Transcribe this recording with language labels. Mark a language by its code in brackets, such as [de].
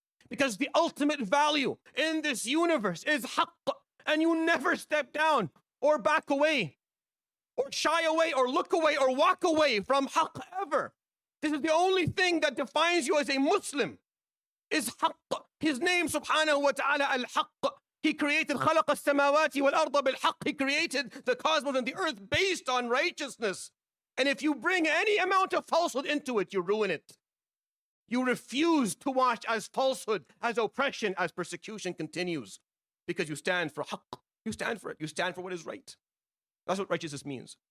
[en] Because the ultimate value in this universe is haqq. And you never step down or back away or shy away or look away or walk away from haqq ever. This is the only thing that defines you as a Muslim. Is haqq. His name subhanahu wa ta'ala al-haqq. He created [ar] خَلَقَ السَّمَاوَاتِ وَالْأَرْضَ بِالْحَقِّ. [en] He created the cosmos and the earth based on righteousness. And if you bring any amount of falsehood into it, you ruin it. You refuse to watch as falsehood, as oppression, as persecution continues. Because you stand for haqq. You stand for it. You stand for what is right. That's what righteousness means.